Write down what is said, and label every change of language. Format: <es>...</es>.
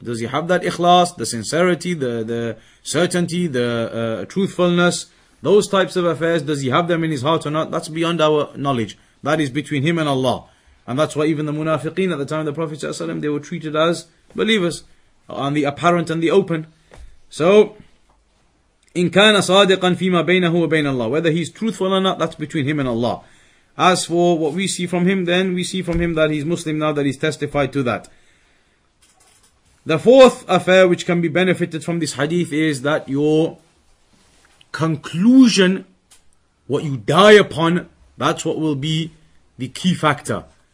<en>Does he have that ikhlas? The sincerity, the certainty, the truthfulness? Those types of affairs, does he have them in his heart or not? That's beyond our knowledge. That is between him and Allah. And that's why even the munafiqeen at the time of the Prophet ﷺ, they were treated as believers. On the apparent and the open. So,</en> <ar>إن كان صادقا فيما بينه وبين الله.</ar> <en>Whether he's truthful or not, that's between him and Allah. As for what we see from him, then we see from him that he's Muslim now, that he's testified to that. The fourth affair which can be benefited from this hadith is that your conclusion, what you die upon, that's what will be the key factor.</en>